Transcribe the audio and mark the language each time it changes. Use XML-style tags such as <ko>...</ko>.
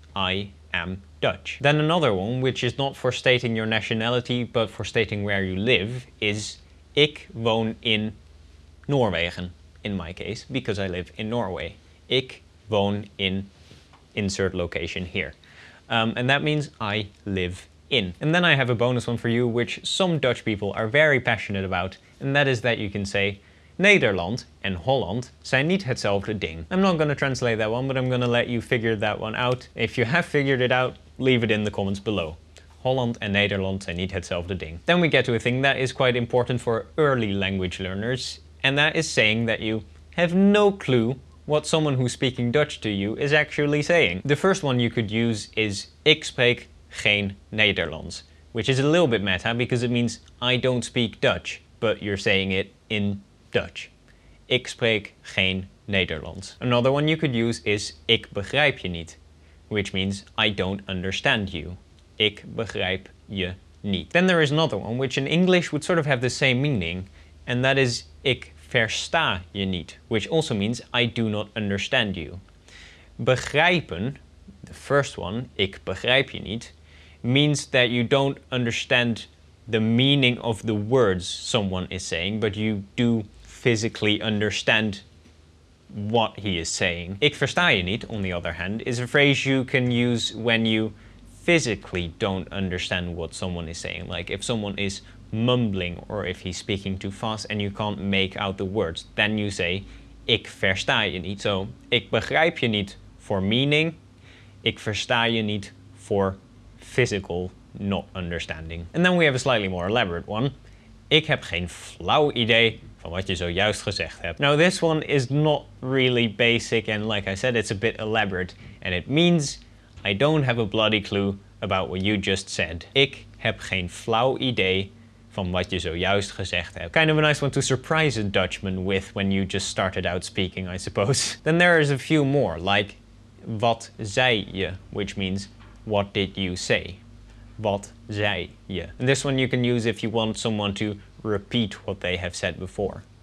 <en>I am Dutch. Then another one, which is not for stating your nationality, but for stating where you live, is</en> <nl>ik woon in Noorwegen,</nl> <en>in my case, because I live in Norway.</en> <nl>Ik woon in</nl> <en>insert location here. And that means I live in. And then I have a bonus one for you, which some Dutch people are very passionate about, and that is that you can say</en> <nl>Nederland and Holland zijn niet hetzelfde ding.</nl> <en>I'm not going to translate that one, but I'm going to let you figure that one out. If you have figured it out, leave it in the comments below.</en> <nl>Holland and Nederland zijn niet hetzelfde ding.</nl> <en>Then we get to a thing that is quite important for early language learners, and that is saying that you have no clue what someone who's speaking Dutch to you is actually saying. The first one you could use is</en> <nl>Ik spreek geen Nederlands,</nl> <en>which is a little bit meta because it means I don't speak Dutch, but you're saying it in Dutch.</en> <nl>Ik spreek geen Nederlands.</nl> <en>Another one you could use is</en> <nl>Ik begrijp je niet,</nl> <en>which means I don't understand you.</en> <nl>Ik begrijp je niet.</nl> <en>Then there is another one which in English would sort of have the same meaning, and that is</en> <nl>Ik versta je niet,</nl> <en>which also means I do not understand you. Begrijpen, the first one,</en> <nl>Ik begrijp je niet,</nl> <en>means that you don't understand the meaning of the words someone is saying, but you do physically understand what he is saying.</en> <nl>Ik versta je niet,</nl> <en>on the other hand, is a phrase you can use when you physically don't understand what someone is saying. Like if someone is mumbling or if he's speaking too fast and you can't make out the words, then you say</en> <nl>Ik versta je niet.</nl> <en>So</en> <nl>Ik begrijp je niet</nl> <en>for meaning,</en> <nl>Ik versta je niet</nl> <en>for physical not understanding. And then we have a slightly more elaborate one.</en> <nl>Ik heb geen flauw idee van wat je zojuist gezegd hebt.</nl> <en>Now this one is not really basic and like I said, it's a bit elaborate and it means I don't have a bloody clue about what you just said.</en> <nl>Ik heb geen flauw idee van wat je zojuist gezegd hebt.</nl> <en>Kind of a nice one to surprise a Dutchman with when you just started out speaking, I suppose. Then there is a few more, like</en> <nl>wat zei je,</nl> <en>which means what did you say?</en> <nl>Wat zei je?</nl> <en>And this one you can use if you want someone to repeat what they have said before.</en>